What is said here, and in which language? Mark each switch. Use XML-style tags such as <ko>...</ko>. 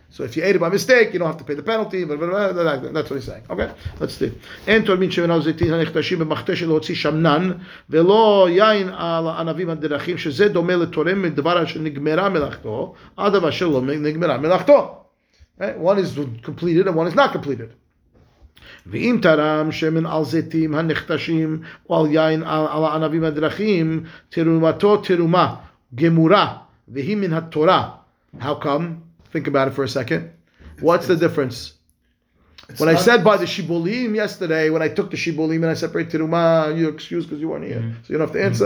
<en>So if you ate it by mistake, you don't have to pay the penalty, blah, blah, blah, blah, that's what he's saying. Okay, let's do it. Right? One is completed and one is not completed.</en> <he>ואם תרם שמן על זיתים הנכתשים או על יין על הענבים הדרכים, תרומתו תרומה, גמורה, והיא מן התורה.</he> <en>How come? Think about it for a second. What's the difference? When I said by the shibulim yesterday, when I took the shibulim and I separated teruma, you're excused because you weren't here. Mm-hmm. So you don't have to answer.</en>